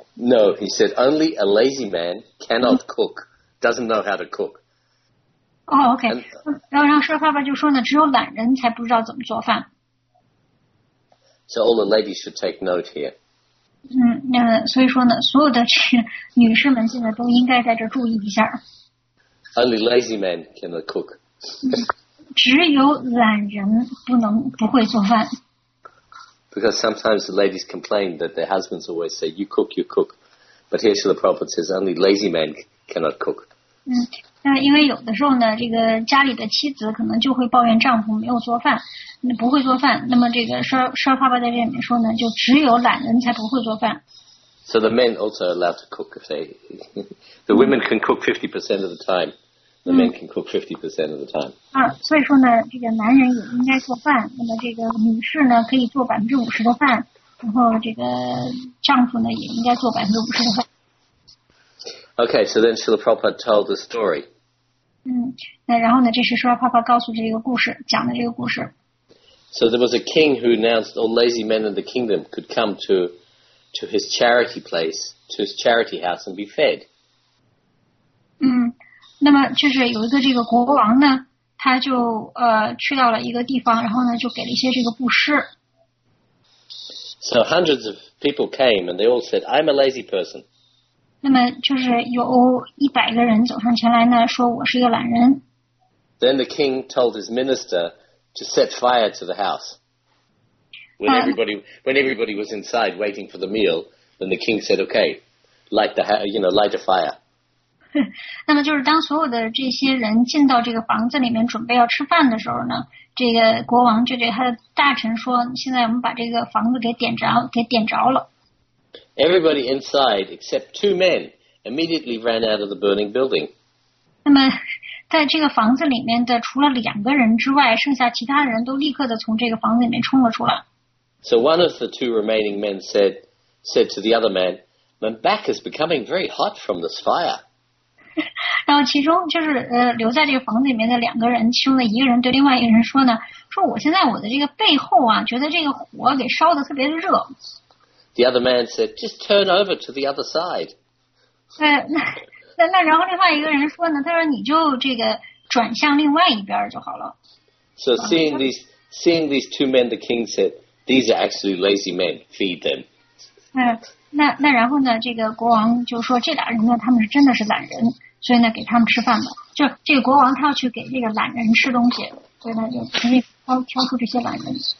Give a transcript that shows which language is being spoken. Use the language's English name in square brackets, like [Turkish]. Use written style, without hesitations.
[English] No, he said only a lazy man cannot cook, doesn't know how to cook. Oh, okay. [Chinese] And, 然后舍尔帕帕就说呢，只有懒人才不知道怎么做饭。 [English] So all the ladies should take note here. [Chinese] 所以说呢，所有的女士们现在都应该在这注意一下。 [English] Only lazy man cannot cook. [Chinese] 只有懒人不会做饭。 [English] Because sometimes the ladies complain that their husbands always say, "You cook, you cook." But here Srila Prabhupada says, "Only lazy men cannot cook." [Chinese] 因为有的时候呢，这个家里的妻子可能就会抱怨丈夫没有做饭，不会做饭。那么这个舍尔帕帕在这里面说呢，就只有懒人才不会做饭。 [English] So the men also allowed to cook if they, the women can cook 50% of the time. The men can cook 50% of the time. [Chinese] 所以说呢，这个男人也应该做饭。那么这个女士呢，可以做50%的饭，然后这个丈夫呢，也应该做50%的饭。 [English] Okay, so then Srila Prabhupada told the story. [Chinese] 那然后呢，这是舍尔帕帕告诉这个故事，讲的这个故事。 [English] So there was a king who announced all lazy men in the kingdom could come to his charity place, to his charity house and be fed. [Chinese] 那么就是有一个这个国王呢，他就去到了一个地方，然后呢就给了一些这个布施。 [English] So hundreds of people came and they all said, "I'm a lazy person." [Chinese] 那么就是有100个人走上前来呢，说我是一个懒人。 [English] Then the king told his minister to set fire to the house. When everybody was inside waiting for the meal, then the king said, "Okay, light a fire." [Chinese] 那么就是当所有的这些人进到这个房子里面准备要吃饭的时候呢，这个国王就对他的大臣说，现在我们把这个房子给点着了。 [English] Everybody inside except two men immediately ran out of the burning building. [Chinese] 那么在这个房子里面的除了两个人之外，剩下其他人都立刻的从这个房子里面冲了出来。 [English] So one of the two remaining men said to the other man, "My back is becoming very hot from this fire." [Chinese] 然后其中就是留在这个房子里面的两个人，其中的一个人对另外一个人说呢，说我现在我的这个背后啊，觉得这个火给烧得特别的热。 [English] The other man said, "Just turn over to the other side." [Chinese] 那然后另外一个人说呢，他说你就这个转向另外一边就好了。 [English] So seeing these two men, the king said, "These are actually lazy men. Feed them." [Chinese] 那然后呢？这个国王就说，这俩人呢，他们是真的是懒人，所以呢，给他们吃饭吧。就这个国王他要去给这个懒人吃东西，所以呢，就肯定挑出这些懒人。